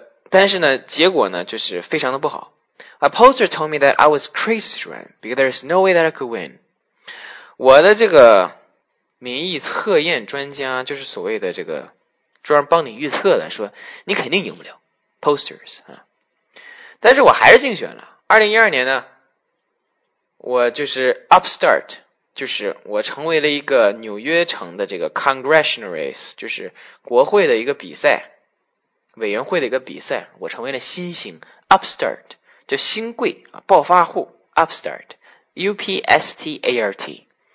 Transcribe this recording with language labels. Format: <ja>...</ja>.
<zh>但是呢结果呢就是非常的不好。</zh> <en>A poster told me that I was crazy to run, because there is no way that I could win.</en> <zh>我的这个民意测验专家就是所谓的这个专门帮你预测的说你肯定赢不了 ,posters. 但是我还是竞选了。2012年呢我就是 upstart,就是我成为了一个纽约城的这个</zh> <en>congressional race,</en> <zh>就是国会的一个比赛委员会的一个比赛我成为了新星 upstart, 叫新贵暴发户 upstart, U-P-S-T-A-R-T,</zh>